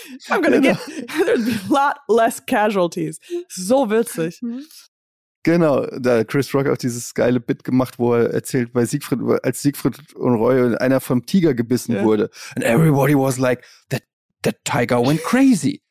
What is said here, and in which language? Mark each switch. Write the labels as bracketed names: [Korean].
[English] I'm gonna get, there'd be a lot less casualties. [German] So witzig. Genau, da hat Chris Rock auch dieses geile Bit gemacht, wo er erzählt, als Siegfried und Roy und einer vom Tiger gebissen wurde. [English] And everybody was like, that tiger went crazy.